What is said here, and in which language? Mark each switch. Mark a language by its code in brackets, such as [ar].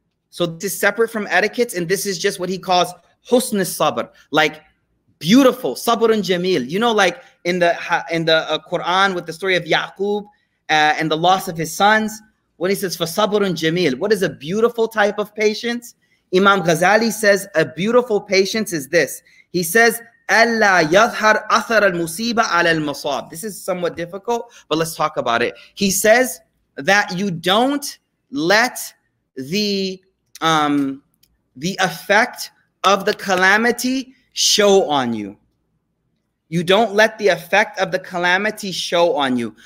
[en] So this is separate from etiquettes, and this is just what he calls husn sabr, like beautiful sabrun jamil. You know, like in the Quran with the story of Yaqub and the loss of his sons, when he says for sabrun jamil, what is a beautiful type of patience? Imam Ghazali says a beautiful patience is this. He says, [ar] أَلَّا يَظْهَرْ أَثَرَ الْمُصِيبَ عَلَى الْمُصَابِ. [en] This is somewhat difficult, but let's talk about it. He says that you don't let the effect of the calamity show on you. You don't let the effect of the calamity show on you.